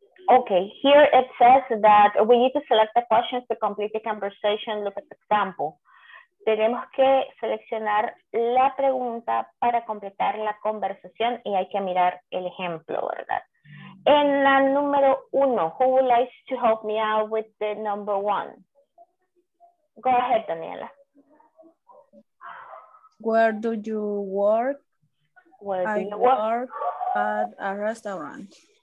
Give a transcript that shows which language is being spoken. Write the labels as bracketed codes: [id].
[en] Okay, here it says that we need to select the questions to complete the conversation. Look at the example. [es] Tenemos que seleccionar la pregunta para completar la conversación y hay que mirar el ejemplo, ¿verdad? En la número uno, [en] who would like to help me out with the number one? Go ahead, Daniela. Where do you work? Where do I you work? Work at a restaurant.